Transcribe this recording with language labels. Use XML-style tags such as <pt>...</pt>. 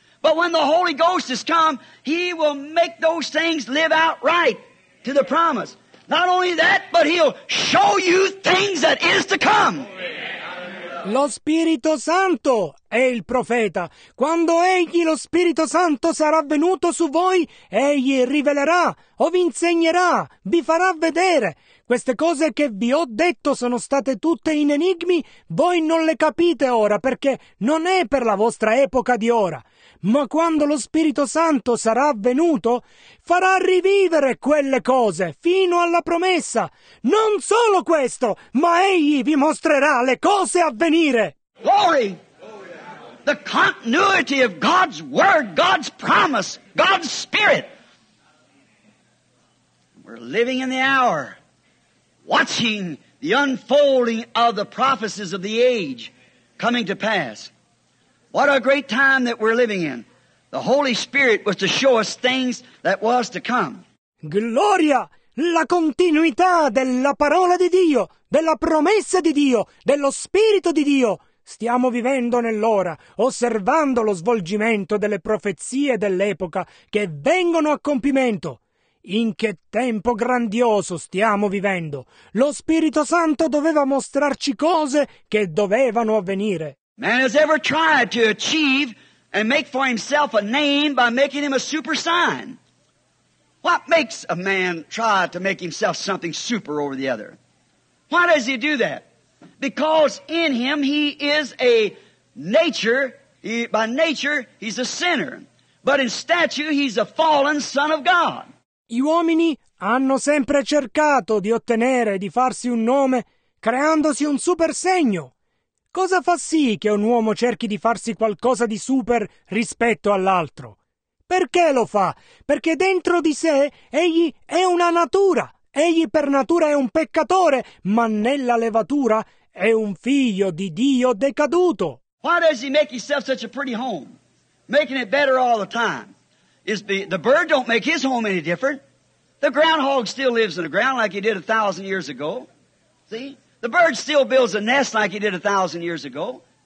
<en>But when the Holy Ghost has come, he will make those things live out right to the promise. Not only that, but he'll show you things that is to come.</en> <it>Lo Spirito Santo è il profeta. Quando egli, lo Spirito Santo, sarà venuto su voi, egli rivelerà o vi insegnerà, vi farà vedere. Queste cose che vi ho detto sono state tutte in enigmi, voi non le capite ora perché non è per la vostra epoca di ora. Ma quando lo Spirito Santo sarà venuto, farà rivivere quelle cose fino alla promessa. Non solo questo, ma egli vi mostrerà le cose a venire.</it> <en>Glory! The continuity of God's word, God's promise, God's spirit. We're living in the hour. Watching the unfolding of the prophecies of the age coming to pass. What a great time that we're living in. The Holy Spirit was to show us things that was to come.</en> <it>Gloria! La continuità della parola di Dio, della promessa di Dio, dello Spirito di Dio. Stiamo vivendo nell'ora, osservando lo svolgimento delle profezie dell'epoca che vengono a compimento. In che tempo grandioso stiamo vivendo! Lo Spirito Santo doveva mostrarci cose che dovevano avvenire.</it> <en>Man has ever tried to achieve and make for himself a name by making him a super sign. What makes a man try to make himself something super over the other? Why does he do that? Because in him he is a nature, by nature he's a sinner. But in statue he's a fallen son of God.</en> <it>Gli uomini hanno sempre cercato di ottenere e di farsi un nome creandosi un super segno. Cosa fa sì che un uomo cerchi di farsi qualcosa di super rispetto all'altro? Perché lo fa? Perché dentro di sé egli è una natura, egli per natura è un peccatore, ma nella levatura è un figlio di Dio decaduto.</it> <en>Why does he make himself such a pretty home, making it better all the time? Is the bird don't make his home any different. The groundhog still lives in the ground like he did 1,000 years ago. See? The bird still builds a nest like he did 1,000 years ago.</en>